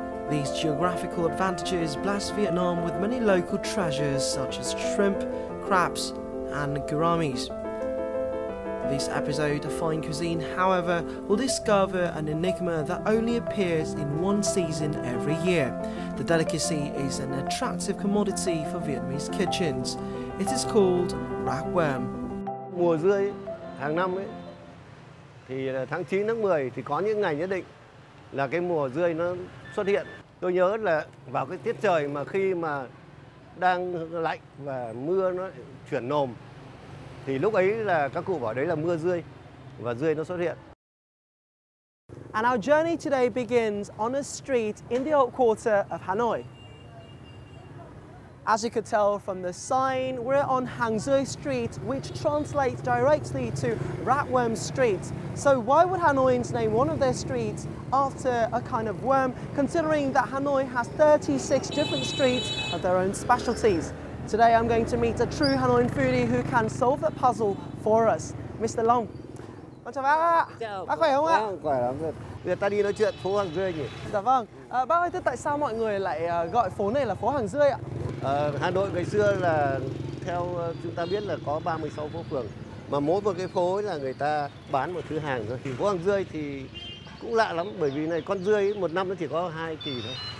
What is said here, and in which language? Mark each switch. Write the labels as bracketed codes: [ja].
[en] These geographical advantages bless Vietnam with many local treasures such as shrimp, crabs, and gouramis. This episode of Fine Cuisine, however, will discover an enigma that only appears in one season every year. The delicacy is an attractive commodity for Vietnamese kitchens. It is called rác worm. [vi] Mùa rươi hàng năm ấy, thì tháng 9, tháng 10 thì có những ngày nhất định là cái mùa rươi nó xuất hiện. Tôi nhớ là vào cái tiết trời mà khi mà đang lạnh và mưa nó chuyển nồm thì lúc ấy là các cụ bảo đấy là mưa rươi và rươi nó xuất hiện. [en] And our journey today begins on a street in the old quarter of Hanoi. As you could tell from the sign, we're on Hang Rươi Street, which translates directly to Ratworm Street. So why would Hanoians name one of their streets after a kind of worm, considering that Hanoi has 36 different streets of their own specialties? Today I'm going to meet a true Hanoian foodie who can solve the puzzle for us, Mr. [vi] Long. Con chào bác ạ. Chào. Bác khỏe không ạ? Khỏe lắm rồi. Người ta đi nói chuyện phố Hàng Rươi nhỉ? Dạ vâng. Bác ơi, thế tại sao mọi người lại gọi phố này là phố Hàng Rươi ạ? Hà Nội ngày xưa là theo chúng ta biết là có 36 phố phường, mà mỗi một cái phố ấy là người ta bán một thứ hàng thôi. Thì phố Hàng Rươi thì cũng lạ lắm, bởi vì này con rươi một năm nó chỉ có 2 kỳ thôi.